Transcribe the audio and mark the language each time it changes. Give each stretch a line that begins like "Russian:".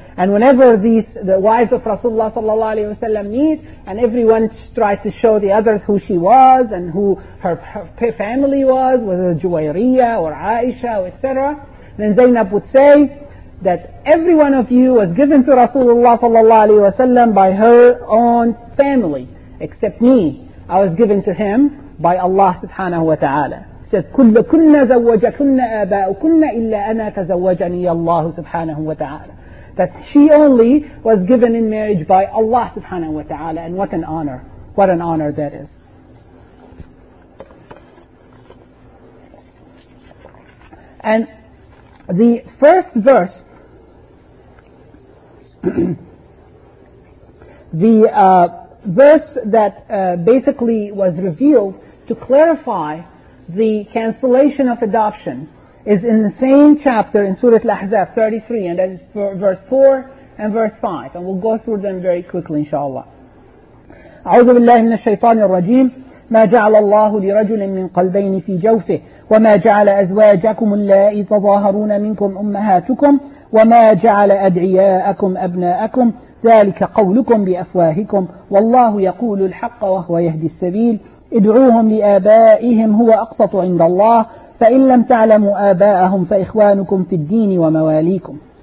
English: And whenever these, the wives of Rasulullah sallallahu alayhi wa sallam meet, and everyone tried to show the others who she was and who her family was, whether Juwayriya or Aisha, etc., then Zainab would say that every one of you was given to Rasulullah sallallahu alayhi wa sallam by her own family, except me. I was given to him by Allah subhanahu wa ta'ala. He said,
Arabic: كُلَّكُنَّ زَوَّجَكُنَّ أَبَاءُكُنَّ إِلَّا أَنَا فَزَوَّجَنِيَ اللَّهُ سُبْحَانَهُ وَتَعَالَى.
English: That she only was given in marriage by Allah subhanahu wa ta'ala. And what an honor. What an honor that is. And the first verse, the verse that basically was revealed to clarify the cancellation of adoption is in the same chapter in Surah Al-Ahzab 33, and that is for verse 4 and verse 5. And we'll go through them very quickly, inshallah.
Arabic: أعوذ بالله من الشيطان الرجيم ما جعل الله لرجل من قلبين في جوفه وما جعل أزواجكم اللائي تظاهرون منكم أمهاتكم وما جعل أدعياءكم أبناءكم ذلك قولكم بأفواهكم والله يقول الحق وهو يهدي السبيل ادعوهم لآبائهم هو أقسط عند الله فإن لم تعلموا آباءهم فإخوانكم في الدين ومواليكم.